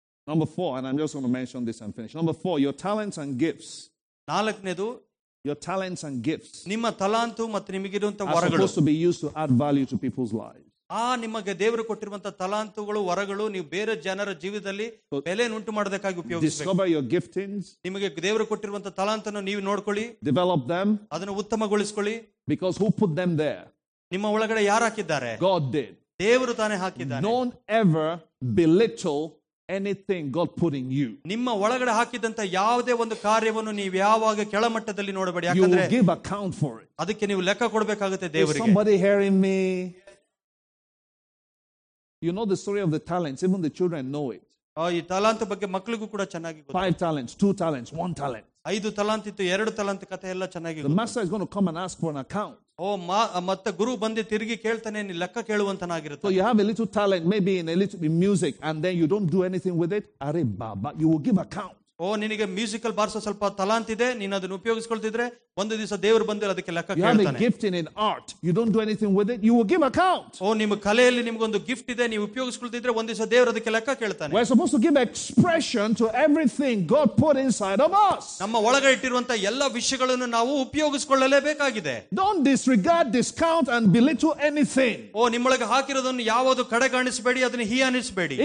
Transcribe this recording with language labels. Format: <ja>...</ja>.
<en>Number 4 and I'm just going to mention this and finish. Number 4, your talents and gifts.</en> <kn>ನಾಲ್ಕನೇದು</kn> <en>your talents and gifts.</en> <kn>ನಿಮ್ಮ ತಲಾಂತು ಮತ್ತು ನಿಮಗೆ ಇರುವಂತ ವರಗಳು.</kn> <en>Are supposed to be used to add value to people's lives.</en> <kn>ಆ ನಿಮಗೆ ದೇವರು ಕೊಟ್ಟಿರುವಂತ ತಲಾಂತುಗಳು ವರಗಳು ನೀವು ಬೇರೆ ಜನರ ಜೀವಿತದಲ್ಲಿ ಬೆಲೆಯನ್ನುಂಟು ಮಾಡೋದಕ್ಕಾಗಿ ಉಪಯೋಗಿಸಬೇಕು.</kn> <en>Discover your giftings.</en> <kn>ನಿಮಗೆ ದೇವರು ಕೊಟ್ಟಿರುವಂತ ತಲಾಂತನ್ನು ನೀವು ನೋಡ್ಕೊಳ್ಳಿ.</kn> <en>Develop them.</en> <kn>ಅದನ್ನು ಉತ್ತಮಗೊಳಿಸಿಕೊಳ್ಳಿ.</kn> <en>Because who put them there?</en> <kn>ನಿಮ್ಮ ಒಳಗಡೆ ಯಾರು ಹಾಕಿದ್ದಾರೆ?</kn> <en>God did.</en> <kn>ದೇವರು ತಾನೇ ಹಾಕಿದ್ದಾರೆ.</kn> <en>Don't ever belittle anything God put in you.</en> <kn>ನಿಮ್ಮ ಒಳಗಡೆ ಹಾಕಿದಂತ ಯಾವುದೇ ಒಂದು ಕಾರ್ಯವನ್ನು ನೀವು ಯಾವಾಗ ಕೆಳಮಟ್ಟದಲ್ಲಿ ನೋಡಬೇಡಿ. ಯಾಕಂದ್ರೆ</kn> <en>You give account for it.</en> <kn>ಅದಕ್ಕೆ ನೀವು ಲೆಕ್ಕ ಕೊಡಬೇಕಾಗುತ್ತೆ ದೇವರಿಗೆ.</kn> <en>Somebody hearing me? You know the story of the talents, even the children know it.</en> <kn>ಆ ಈ ಟ್ಯಾಲೆಂಟ್ ಬಗ್ಗೆ ಮಕ್ಕಳಿಗೂ ಕೂಡ ಚೆನ್ನಾಗಿ ಗೊತ್ತು.</kn> <en>5 talents, 2 talents, 1 talent.</en> <kn>ಐದು ತಲಾಂತ್ ಇತ್ತು ಎರಡು ತಲಾಂತ್ ಕಥೆ ಎಲ್ಲ ಚೆನ್ನಾಗಿ</kn> <en>The master is going to come and ask for an account.</en> <kn>ಓ ಮತ್ತೆ ಗುರು ಬಂದು ತಿರುಗಿ ಕೇಳ್ತಾನೆ ನೀ ಲೆಕ್ಕ ಕೇಳುವಂತನಾಗಿರುತ್ತೆ.</kn> <en>So you have a little talent maybe in a little in music and then you don't do anything with it. Are baba you will give account.</en> <kn>ಓ ನಿನಗೆ musical ಬಾರ್ಸ ಸ್ವಲ್ಪ ತಲಾಂತ್ ಇದೆ ನೀನು ಅದನ್ನು ಉಪಯೋಗಿಸಿಕೊಳ್ತಿದ್ರೆ ಒಂದು ದಿವಸ ದೇವರು ಬಂದ ಅದಕ್ಕೆ ಲೆಕ್ಕ ಕೇಳ್ತಾನೆ.</kn> <en>You have a gift in art you don't do anything with it you will give account.</en> <kn>ಓ ನಿಮ್ಮ ಕಲೆಯಲ್ಲಿ ನಿಮಗೆ ಒಂದು ಗಿಫ್ಟ್ ಇದೆ ನೀವು ಉಪಯೋಗಿಸಿಕೊಳ್ತಿದ್ರೆ ಒಂದು ದಿವಸ ದೇವರು ಅದಕ್ಕೆ ಲೆಕ್ಕ ಕೇಳ್ತಾನೆ.</kn> <en>We are supposed to give expression to everything God put inside of us.</en> <kn>ನಮ್ಮ ಒಳಗಡೆ ಇಟ್ಟಿರುವಂತ ಎಲ್ಲ ವಿಷಯಗಳನ್ನು ನಾವು ಉಪಯೋಗಿಸಿಕೊಳ್ಳಲೇಬೇಕಾಗಿದೆ.</kn> <en>Don't disregard discount and belittle anything.</en> <kn>ಓ ನಿಮ್ಮೊಳಗೆ ಹಾಕಿರೋದನ್ನು ಯಾವುದು ಕಡೆಗಾಣಿಸಬೇಡಿ ಅದನ್ನು ಹೀ ಅನಿಸಬೇಡಿ.</kn>